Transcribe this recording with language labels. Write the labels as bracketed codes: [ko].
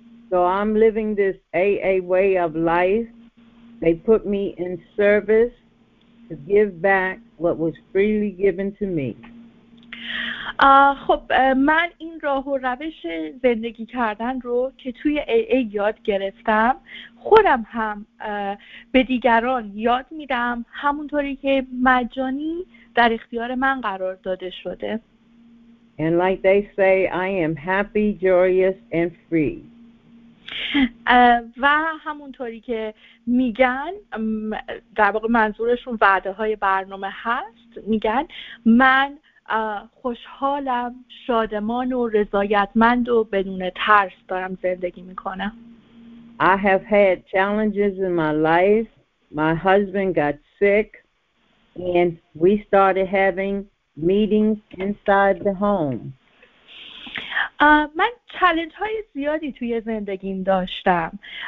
[en] So I'm living this AA way of life. They put me in service to give back what was freely given to me. [fa] خب من این راه و روش زندگی کردن رو که توی AA یاد گرفتم خودم هم به دیگران یاد میدم، همونطوری که مجانی در اختیار من قرار داده شده. [en] And like they say, I am happy, joyous and free. [fa] و همونطوری که میگن، در واقع منظورشون وعده های برنامه هست، میگن من خوشحالم، شادمان و رضایتمند و بدون ترس دارم زندگی میکنم. [en] I have had challenges in my life. My husband got sick and we started having meetings inside the home. [fa] من چالش های زیادی توی زندگیم داشتم.